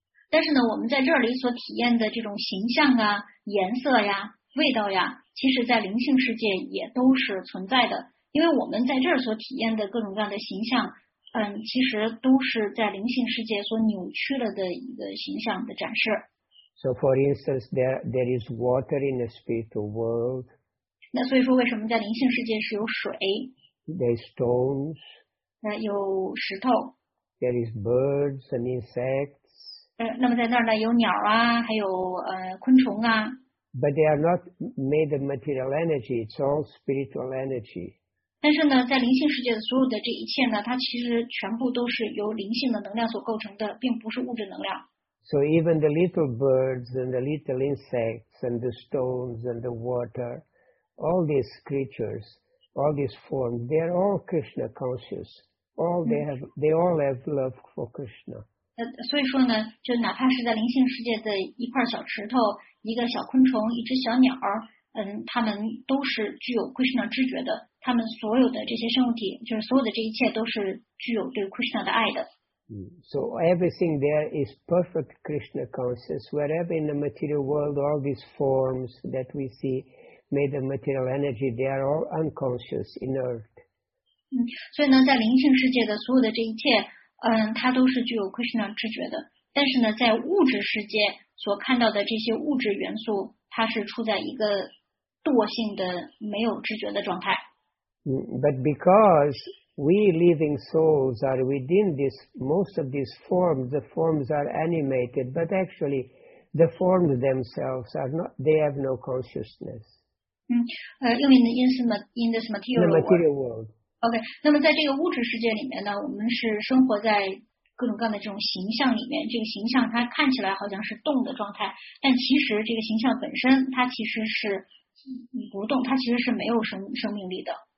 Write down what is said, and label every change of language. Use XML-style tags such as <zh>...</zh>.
<zh>但是呢，我们在这里所体验的这种形象啊、颜色呀、味道呀，其实在灵性世界也都是存在的。因为我们在这儿所体验的各种各样的形象，其实都是在灵性世界所扭曲了的一个形象的展示。</zh> <en>So for instance, there is water in the spiritual world.</en> <zh>那所以说，为什么在灵性世界是有水</zh> <en>？There is stones.</en> <zh>有石头。</zh> <en>There is birds and insects.</en> <zh>那么在那儿呢，有鸟啊，还有昆虫啊。</zh> <en>But they are not made of material energy. It's all spiritual energy.</en> <zh>但是呢，在灵性世界的所有的这一切呢，它其实全部都是由灵性的能量所构成的，并不是物质能量。</zh> <en>So even the little birds and the little insects and the stones and the water, all these creatures, all these forms, they are all Krishna conscious. They all have love for Krishna.</en> <zh>所以说呢，就哪怕是在灵性世界的一块小石头、一个小昆虫、一只小鸟，他们都是具有 Krishna 知觉的。他们所有的这些生物体，就是所有的这一切，都是具有对 Krishna 的爱的。</zh> <en>So everything there is perfect Krishna consciousness. Wherever in the material world, all these forms that we see made of material energy, they are all unconscious, inert.</en> <zh>所以呢，在灵性世界的所有的这一切，它都是具有 Krishna 知觉的。但是呢，在物质世界所看到的这些物质元素，它是处在一个惰性的、没有知觉的状态。</zh> <en>But because we living souls are within this, most of these forms, the forms are animated, but actually the forms themselves are not, they have no consciousness. You mean in this material world? In the material world.</en> <zh>OK, 那么在这个物质世界里面呢，我们是生活在各种各样的这种形象里面，这个形象它看起来好像是动的状态，但其实这个形象本身它其实是不动，它其实是没有生命力的。</zh>